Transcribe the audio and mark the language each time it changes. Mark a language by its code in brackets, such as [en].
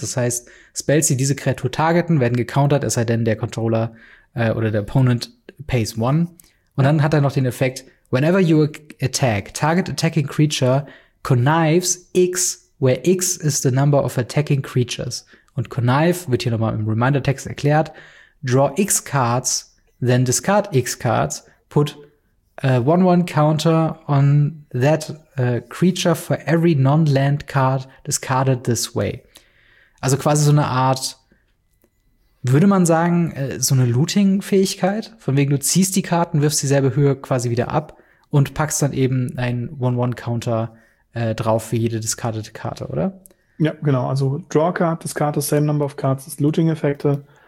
[de] Das heißt, Spells, die diese Kreatur targeten, werden gecountert, es sei denn, der Controller oder der Opponent pays 1. Und dann hat er noch den Effekt, [en] whenever you attack, target attacking creature connives X, where X is the number of attacking creatures. [de] Und connive wird hier nochmal im Reminder-Text erklärt. [en] Draw X cards, then discard X cards, put 1/1 counter on that creature for every non-land card discarded this way. [de] Also quasi so eine Art, würde man sagen, so eine Looting-Fähigkeit, von wegen du ziehst die Karten, wirfst dieselbe Höhe quasi wieder ab und packst dann eben einen 1/1-Counter drauf für jede discardete Karte, oder? Ja, genau. Also [en] Draw Card, Discard the same number of cards, [de] ist Looting-Effekte.